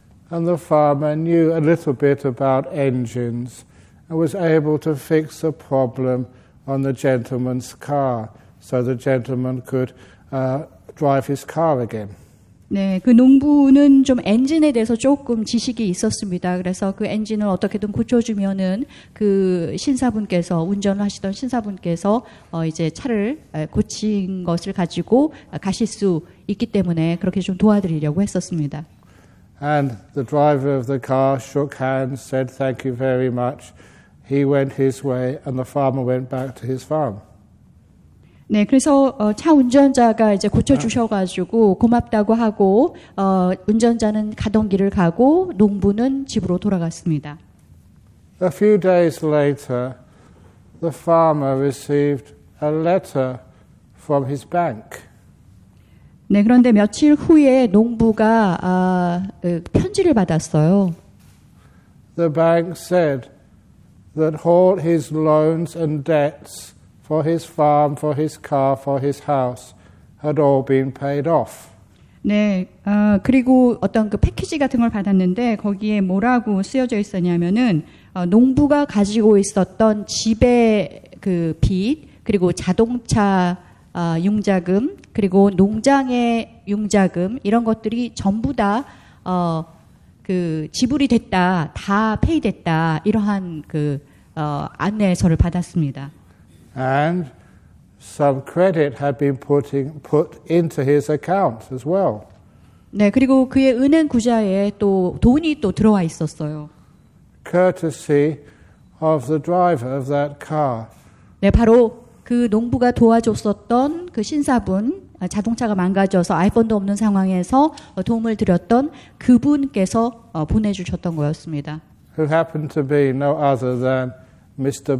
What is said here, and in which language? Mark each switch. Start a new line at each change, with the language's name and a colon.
English: And the farmer knew a little bit about engines and was able to fix a problem on the gentleman's car so the gentleman could drive his car again.
Korean: 네, 그 농부는 좀 엔진에 대해서 조금 지식이 있었습니다. 그래서 그 엔진을 어떻게든 고쳐주면은 그 신사분께서 운전하시던 신사분께서 이제 차를 고친 것을 가지고 가실 수 있기 때문에 그렇게 좀 도와드리려고 했었습니다.
English: And the driver of the car shook hands, said thank you very much. He went his way, and the farmer went back to his farm.
Korean: 네, 그래서 차 운전자가 이제 고쳐주셔가지고 고맙다고 하고 운전자는 가던 길을 가고 농부는 집으로 돌아갔습니다.
English: A few days later, the farmer received a letter from his bank.
Korean: 네, 그런데 며칠 후에 농부가 편지를 받았어요.
English: The bank said that all his loans and debts for his farm, for his car, for his house had all been paid off.
Korean: 네, 그리고 어떤 그 패키지 같은 걸 받았는데 거기에 뭐라고 쓰여져 있었냐면은 농부가 가지고 있었던 집의 그 빚 그리고 자동차 융자금 그리고 농장의 융자금 이런 것들이 전부 다 그 지불이 됐다, 다 페이됐다 이러한 그 안내서를 받았습니다.
English: And some credit had been put into his account as well.
Korean: 네, 그리고 그의 은행 구좌에 또 돈이 또 들어와 있었어요.
English: Courtesy of the driver of that car.
Korean: 네, 바로 그 농부가 도와줬었던 그 신사분, 자동차가 망가져서 아이폰도 없는 상황에서 도움을 드렸던 그분께서 보내주셨던 거였습니다.
English: Who happened to be no other than Mr.